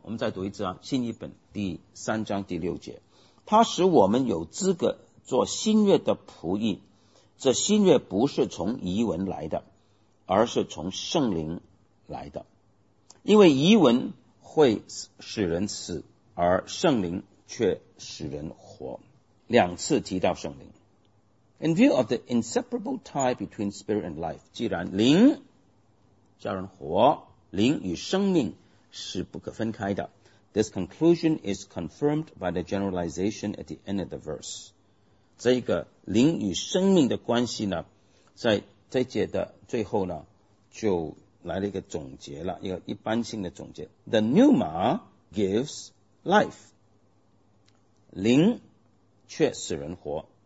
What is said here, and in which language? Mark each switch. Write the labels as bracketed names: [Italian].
[Chinese] 我们再读一次啊，新译本第三章第六节，他使我们有资格做新约的仆役，这新约不是从疑问来的，而是从圣灵来的。因为疑问会使人死，而圣灵却使人活。两次提到圣灵。 [English] In view of the inseparable tie between spirit and life, [Chinese] 既然灵叫人活，灵与生命是不可分开的， [English] this conclusion is confirmed by the generalization at the end of the verse. [Chinese] 这个灵与生命的关系呢，在这节的最后呢，就来了一个总结了，一个一般性的总结。 [English] The pneuma gives life. [Chinese] 灵却使人活。